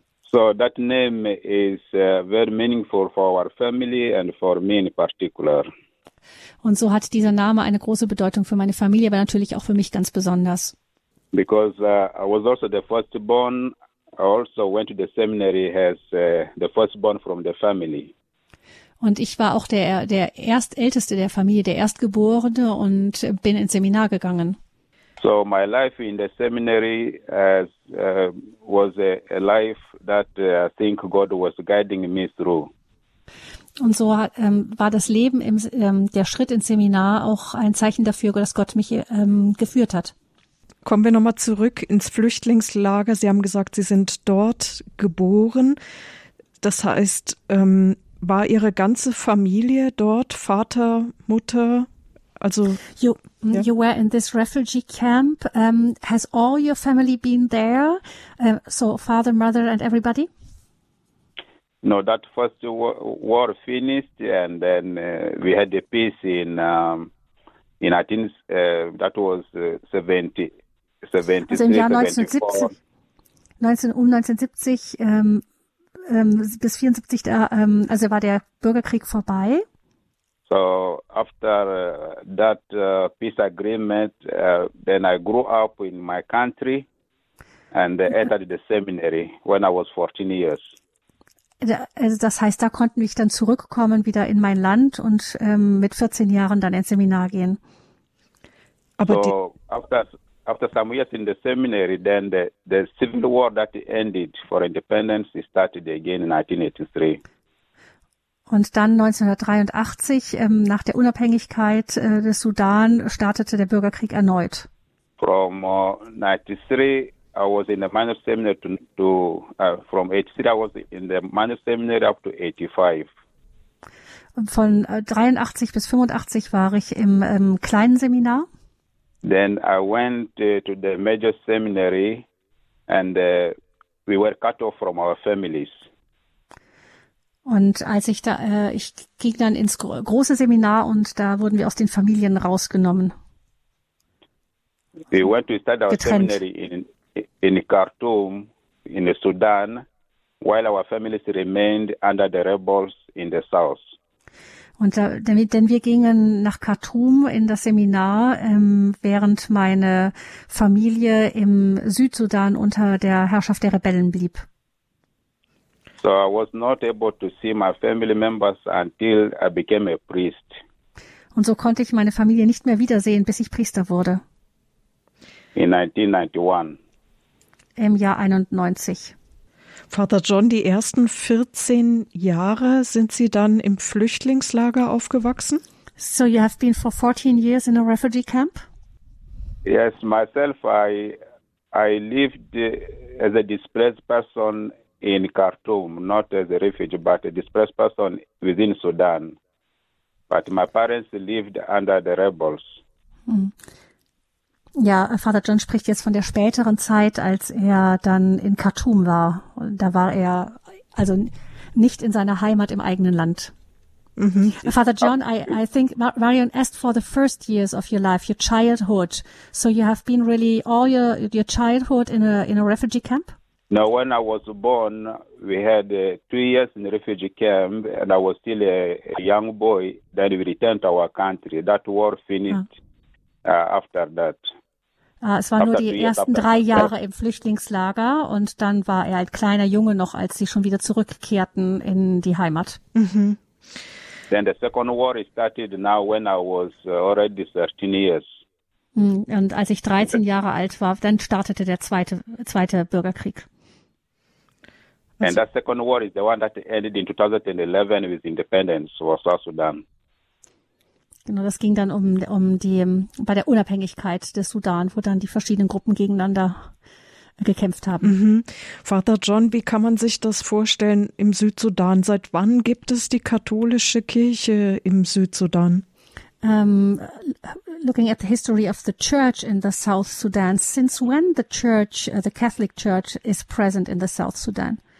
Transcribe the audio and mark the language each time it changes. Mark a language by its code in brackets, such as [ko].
[en] So that name is very meaningful for our family and for me in particular. [de] Und so hat dieser Name eine große Bedeutung für meine Familie, aber natürlich auch für mich ganz besonders. [en] Because I was also the firstborn, I also went to the seminary as the firstborn from the family. [de] Und ich war auch der Erstälteste der Familie, der Erstgeborene, und bin ins Seminar gegangen. [en] So my life in the seminary was a life that I think God was guiding me through. [de] Und so war das Leben im der Schritt ins Seminar auch ein Zeichen dafür, dass Gott mich geführt hat. Kommen wir nochmal zurück ins Flüchtlingslager. Sie haben gesagt, Sie sind dort geboren. Das heißt, war Ihre ganze Familie dort, Vater, Mutter? Also, [en] you were in this refugee camp. Has all your family been there? So father, mother and everybody? No, that first war finished and then we had a peace in 1970. [de] Also im Jahr 1970 bis 1974, also war der Bürgerkrieg vorbei. [en] So after that peace agreement, then I grew up in my country and entered the seminary when I was 14 years. [de] Also das heißt, da konnte ich dann zurückkommen wieder in mein Land und mit 14 Jahren dann ins Seminar gehen. Aber so [en] after some years in the seminary, then the civil war that ended for independence started again in 1983. [de] Und dann 1983, nach der Unabhängigkeit des Sudan, startete der Bürgerkrieg erneut. [en] From 93, I was in the minor seminary from 83, I was in the minor seminary up to 85. [de] Und von 83 bis 85 war ich im kleinen Seminar. [en] Then I went to the major seminary and we were cut off from our families. [de] Und als ich da, ich ging dann ins große Seminar und da wurden wir aus den Familien rausgenommen. [en] We went to study our seminary in Khartoum, in the Sudan, while our families remained under the rebels in the south. [de] Und denn wir gingen nach Khartoum in das Seminar, während meine Familie im Südsudan unter der Herrschaft der Rebellen blieb. [en] So I was not able to see my family members until I became a priest. [de] Und so konnte ich meine Familie nicht mehr wiedersehen, bis ich Priester wurde. [en] In 1991. [de] Im Jahr 91. Father John, die ersten 14 Jahre sind Sie dann im Flüchtlingslager aufgewachsen? [en] So you have been for 14 years in a refugee camp? Yes, myself, I lived as a displaced person in Khartoum, not as a refugee, but a displaced person within Sudan. But my parents lived under the rebels. [de] Ja, Father John spricht jetzt von der späteren Zeit, als er dann in Khartoum war. Da war er also nicht in seiner Heimat im eigenen Land. Mm-hmm. [en] Father John, I think Marion asked for the first years of your life, your childhood. So you have been really all your childhood in a refugee camp? No, when I was born, we had 2 years in the refugee camp and I was still a young boy. Then we returned to our country. That war finished after that. [de] Es waren nur die ersten 3 Jahre im Flüchtlingslager und dann war er ein kleiner Junge noch, als sie schon wieder zurückkehrten in die Heimat. Mhm. [en] Then the second war started now when I was already 13 years. [de] Und als ich 13 Jahre alt war, dann startete der zweite Bürgerkrieg. [en] And that second war is the one that ended in 2011 with independence of South Sudan. [de] Genau, das ging dann bei der Unabhängigkeit des Sudan, wo dann die verschiedenen Gruppen gegeneinander gekämpft haben. Mhm. Vater John, wie kann man sich das vorstellen im Südsudan? Seit wann gibt es die katholische Kirche im Südsudan? [en] Looking at the history of the church in the South Sudan, since when the Catholic Church is present in the South Sudan?